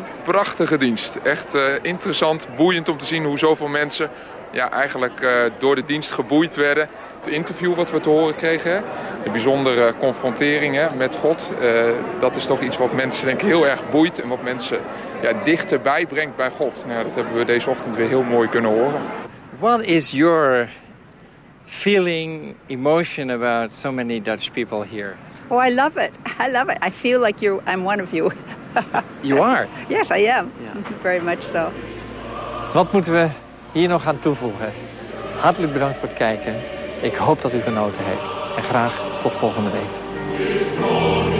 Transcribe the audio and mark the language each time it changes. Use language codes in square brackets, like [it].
[nl] Prachtige dienst, echt interessant, boeiend om te zien hoe zoveel mensen, ja, eigenlijk door de dienst geboeid werden. Het interview wat we te horen kregen, de bijzondere confronteringen met God. Dat is toch iets wat mensen denk ik heel erg boeit en wat mensen, ja, dichterbij brengt bij God. Nou, dat hebben we deze ochtend weer heel mooi kunnen horen. [en] What is your feeling, emotion about so many Dutch people here? Oh, I love it. I love it. I feel like I'm one of you. You are? Yes, I am. Yeah. Very much so. [nl] Wat moeten we hier nog aan toevoegen? Hartelijk bedankt voor het kijken. Ik hoop dat u genoten heeft. En graag tot volgende week.